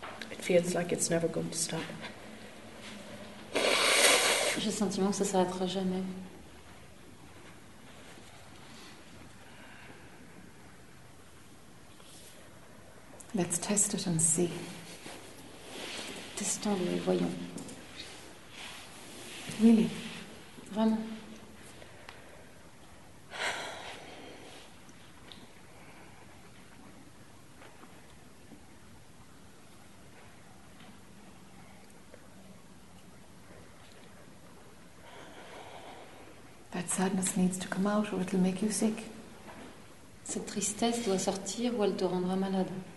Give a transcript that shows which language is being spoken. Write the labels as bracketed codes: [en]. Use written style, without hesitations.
[en] It feels like it's never going to stop. [fr] J'ai le sentiment que ça ne s'arrêtera jamais. [en] Let's test it and see. [fr] Testons-le et voyons. [en] Really? [fr] Vraiment? [en] That sadness needs to come out or it'll make you sick. [fr] Cette tristesse doit sortir ou elle te rendra malade.